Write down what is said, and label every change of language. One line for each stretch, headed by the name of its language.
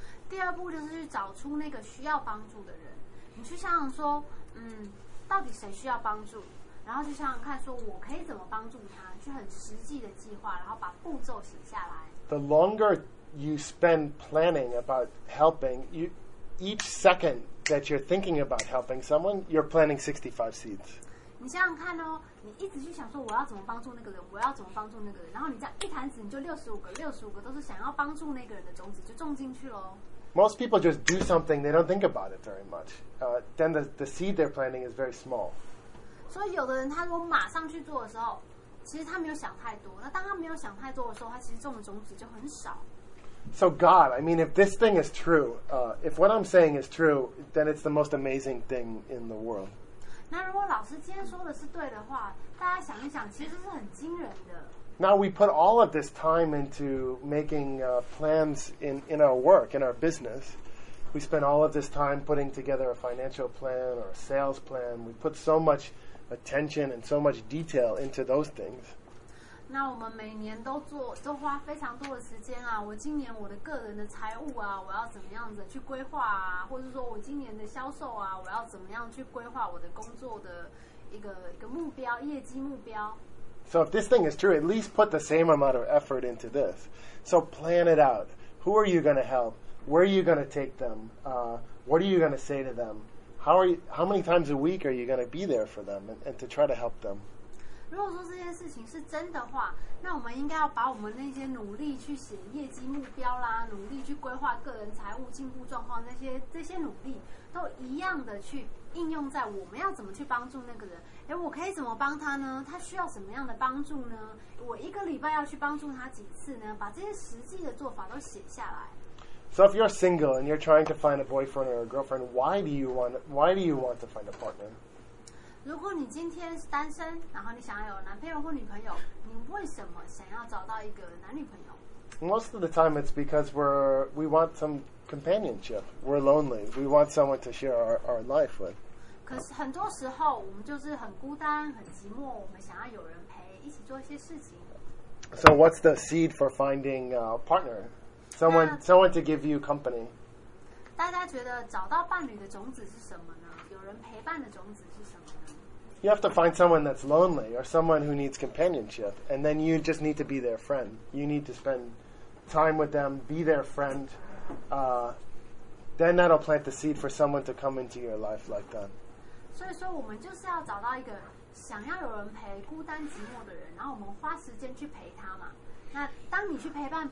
Chinese: 第二步就是去找出那个需要帮助的人。你去想想说，到底谁需要帮助？然后去想想看说我可以怎么帮助他？去很实际的计划，然后把步骤写下来。
English: The longer you spend planning about helping, each second that you're thinking about helping someone, you're planting 65 seeds.
Chinese: 你想想看哦，你一直去想说我要怎么帮助那个人，我要怎么帮助那个人，然后你这样一坛子你就65个都是想要帮助那个人的种子就种进去咯。
English: Most people just do something, they don't think about it very much. Then the seed they're planting is very small.
Chinese: 所以有的人他如果马上去做的时候，其实他没有想太多，那当他没有想太多的时候，他其实种的种子就很少。
English: So God, I mean, if this thing is true, if what I'm saying is true, then it's the most amazing thing in the world.
Chinese: 那如果老师今天说的是对的话，大家想一想，其实是很惊人的。
English: Now we put all of this time into making plans in our work, in our business. We spent all of this time putting together a financial plan or a sales plan. We put so much attention and so much detail into those things.
Chinese: 那我们每年都做，都花非常多的时间啊。我今年我的个人的财务啊，我要怎么样子去规划啊？或者说我今年的销售啊，我要怎么样去规划我的工作的一个目标，业绩目标？
English: So if this thing is true, at least put the same amount of effort into this. So plan it out. Who are you going to help? Where are you going to take them? What are you going to say to them? How many times a week are you going to be there for them and to try to help them?
Chinese: 如果说这件事情是真的话，那我们应该要把我们那些努力去写业绩目标啦，努力去规划个人财务进步状况，这些努力都一样的去应用在我们要怎么去帮助那个人。哎，我可以怎么帮他呢？他需要什么样的帮助呢？我一个礼拜要去帮助他几次呢？把这些实际的做法都写下来。
English: So if you're single and you're trying to find a boyfriend or a girlfriend, why do you want to find a partner?
Chinese: 如果你今天是单身，然后你想要有男朋友或女朋友，你为什么想要找到一个男女朋友？
English: Most of the time, it's because we want some companionship. We're lonely. We want someone to share our life with.
Chinese: 可是很多时候，我们就是很孤单、很寂寞，我们想要有人陪，一起做一些事情。
English: So what's the seed for finding a partner? Someone to give you company.
Chinese: 大家觉得找到伴侣的种子是什么呢？有人陪伴的种子是什么？
English: You have to find someone that's lonely or someone who needs companionship, and then you just need to be their friend. You need to spend time with them, be their friend. Then that'll plant the seed for someone to come into your life like that. So, we just need to find someone who wants someone to help, and then we spend time with them.